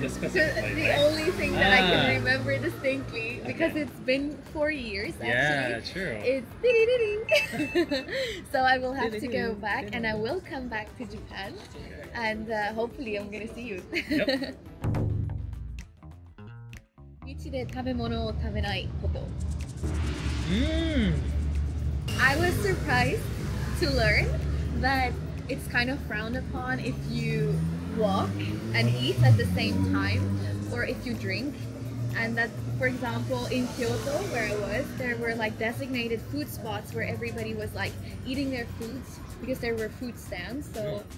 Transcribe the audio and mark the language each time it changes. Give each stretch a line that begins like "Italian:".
English: the specific place, right? Only thing that I can remember distinctly, because it's been 4 years, actually. Yeah, true. It's... so I will have to go back, and I will come back to Japan, and hopefully I'm going to see you. Yep.
Japanese: 道で食べ物を食べないこと。
English: I was surprised to learn that it's kind of frowned upon if you walk and eat at the same time, or if you drink, and that's for example, in Kyoto, where I was, there were like designated food spots where everybody was like eating their foods because there were food stands. So yeah.